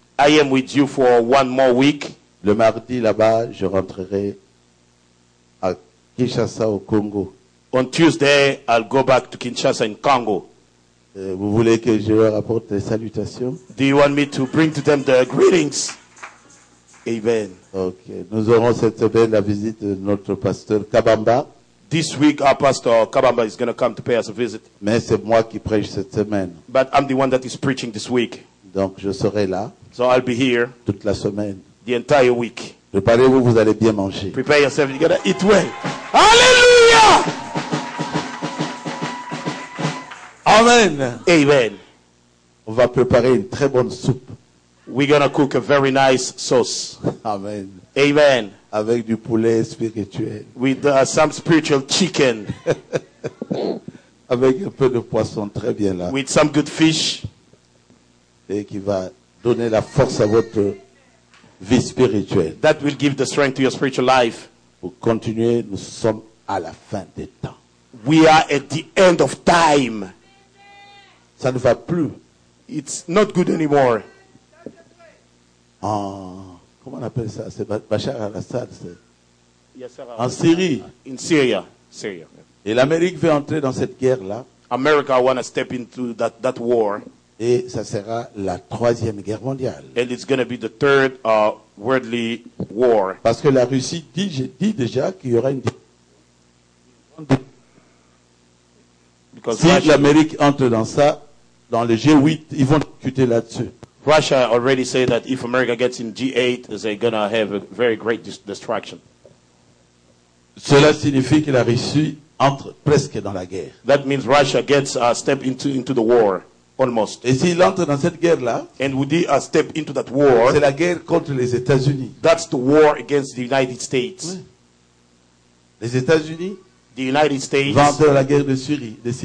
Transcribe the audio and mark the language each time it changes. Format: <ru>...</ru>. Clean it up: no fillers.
<en>I am with you for one more week.</en> <fr>Le mardi là-bas, je rentrerai à Kinshasa au Congo.</fr> <en>On Tuesday, I'll go back to Kinshasa in Congo.</en> <fr>Vous voulez que je leur apporte les salutations?</fr> <en>Do you want me to bring to them the greetings? Amen. Ok.</en> <fr>Nous aurons cette semaine la visite de notre pasteur Kabamba.</fr> <en>This week our pastor Kabamba is going to come to pay us a visit.</en> <fr>Mais c'est moi qui prêche cette semaine.</fr> <en>But I'm the one that is preaching this week.</en> <fr>Donc je serai là.</fr> <en>So I'll be here.</en> <fr>Toute la semaine.</fr> <en>The entire week.</en> <fr>Préparez-vous, vous allez bien manger.</fr> <en>Prepare yourself, you're going to eat well. Hallelujah! Amen. Amen.</en> <fr>On va préparer une très bonne soupe.</fr> <en>We're gonna cook a very nice sauce. Amen. Amen.</en> <fr>Avec du poulet spirituel.</fr> <en>With some spiritual chicken.</en> <fr>Avec un peu de poisson très bien là.</fr> <en>With some good fish.</en> <fr>Et qui va donner la force à votre vie spirituelle.</fr> <en>That will give the strength to your spiritual life.</en> <fr>Pour continuer, nous sommes à la fin des temps.</fr> <en>We are at the end of time.</en> <fr>Ça ne va plus.</fr> <en>It's not good anymore.</en> <fr>Oh, comment on appelle ça? C'est Bachar al-Assad. C'est...</fr> <en>Yes, sir.</en> <fr>En Syrie.</fr> <en>In Syria. Syria.</en> <fr>Et l'Amérique veut entrer dans cette guerre-là.</fr> <en>America wanna step into that war.</en> <fr>Et ça sera la troisième guerre mondiale.</fr> <en>And it's gonna be the third worldly war.</en> <fr>Parce que la Russie dit déjà qu'il y aura une. Si l'Amérique entre dans ça, dans le G8, ils vont discuter là-dessus.</fr> <en>Russia already said that if America gets in G8, they're gonna have a very great destruction.</en> <fr>Cela signifie que la Russie entre presque dans la guerre.</fr> <en>That means Russia gets a step into the war, almost.</en> <fr>Et s'il entre dans cette guerre-là,</fr> <en>and would he a step into that war,</en> <fr>c'est la guerre contre les États-Unis.</fr> <en>That's the war against the United States.</en> <fr>Oui. Les États-Unis.</fr> <en>The United States</en> <fr>va entrer dans la guerre de Syrie.</fr>